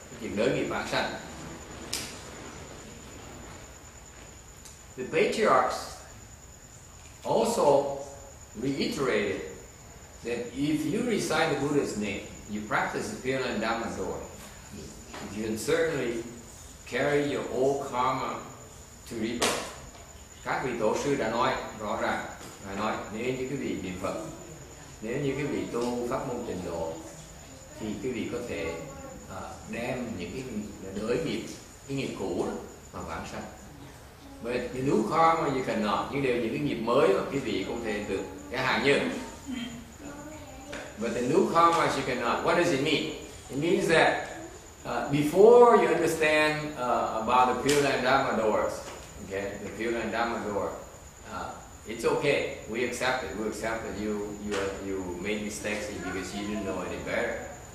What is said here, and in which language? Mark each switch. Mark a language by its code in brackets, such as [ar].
[en] The patriarchs also reiterated that if you recite the Buddha's name, you practice the Pure Land Dhamma Door, you can certainly carry your old karma to rebirth. [vi] Các vị tổ sư đã nói rõ ràng, ngài nói nếu như quý vị niệm Phật, nếu như quý vị tu pháp môn tịnh độ, thì quý vị có thể đem những cái đới nghiệp, cái nghiệp cũ đó, mà vãng sanh. [en] But the new karma you cannot, [vi] nhưng đều những cái nghiệp mới mà quý vị cũng thể được cái hạn như. [en] But the new karma you cannot. What does it mean? It means that before you understand about the Pure Land Dhamma Doors, okay, the Pure Land Dhamma Door, it's okay. We accept it. We accept that you made mistakes because you didn't know any better.